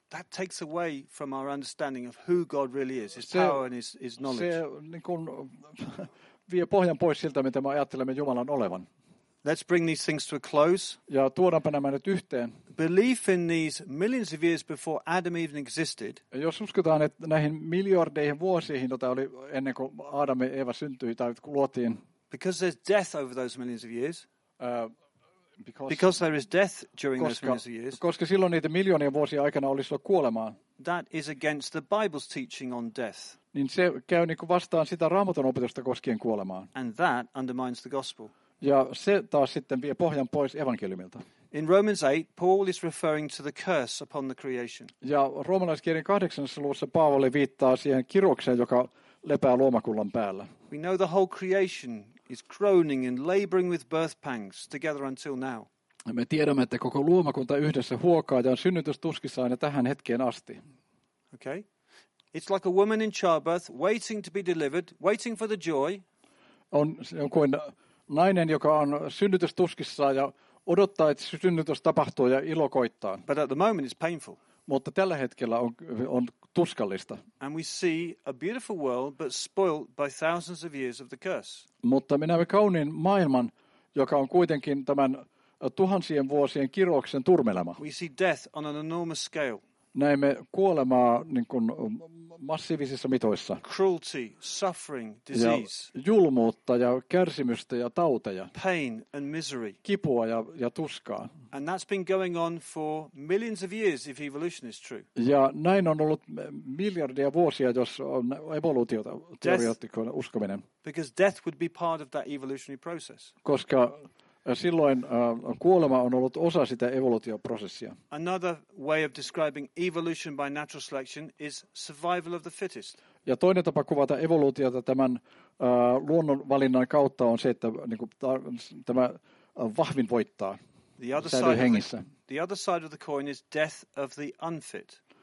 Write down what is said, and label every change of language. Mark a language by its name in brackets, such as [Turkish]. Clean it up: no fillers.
[English] That takes away from our understanding of who God really is, his power and his knowledge. [Finnish] Se niin kuin vie pohjan pois siltä, mitä me ajattelemme Jumalan olevan. [English] Let's bring these things to a close. [Finnish] Ja tuodaanpa nämä nyt yhteen. [English] Belief in these millions of years before Adam even existed. [Finnish] Jos uskotaan, että näihin miljardeihin vuosiin, jota oli ennen kuin Adam ja Eva syntyi tai luotiin. [English] Because there's death over those millions of years. Because there is death during those millions of years. [Finnish] Koska silloin niitä miljoonia vuosia aikana olisi ollut kuolemaa. [English] That is against the Bible's teaching on death. [Finnish] Niin se käy niin kuin vastaan sitä Raamatun opetusta koskien kuolemaa. [English] And that undermines the gospel. [Finnish] Ja se taas sitten vie pohjan pois evankeliumilta. [English] In Romans 8, Paul is referring to the curse upon the creation. [Finnish] Ja roomalaiskirjeen 8. luvussa Paavali viittaa siihen kirokseen, joka lepää luomakunnan päällä. [English] We know the whole creation is groaning and laboring with birth pangs together until now. [Finnish] Ja me tiedämme, että koko luomakunta yhdessä huokaa ja on synnytystuskissa aina tähän hetkeen asti. [English] Okay. It's like a woman in childbirth waiting to be delivered, waiting for the joy. [Finnish] On kuin nainen, joka on synnytystuskissa ja odottaa, että synnytys tapahtuu ja ilo koittaa. [English] But at the moment it's painful. [Finnish] Mutta tällä hetkellä on tuskallista. [English] And we see a beautiful world, but spoiled by thousands of years of the curse. [Finnish] Mutta me näemme kauniin maailman, joka on kuitenkin tämän tuhansien vuosien kirouksen turmelema. [English] We see death on an enormous scale. [Finnish] Näemme kuolemaa niin kuin massiivisissa mitoissa. [English] Cruelty, suffering, disease. [Finnish] Ja julmuutta ja kärsimystä ja tauteja. [English] Pain and misery. [Finnish] Kipua ja tuskaa. [English] And that's been going on for millions of years if evolution is true. [Finnish] Ja näin on ollut miljardia vuosia, jos on evoluutiota teoriaattikon uskominen. [English] Because death would be part of that evolutionary process. [Finnish] Koska silloin kuolema on ollut osa sitä evoluutioprosessia. [English] Another way of describing evolution by natural selection is survival of the fittest. [Finnish] Ja toinen tapa kuvata evoluutiota tämän luonnonvalinnan kautta on se, että niin kuin, tämä vahvin voittaa. [English] The other side [Finnish] hengissä. [English] The other side of the coin is death of the unfit.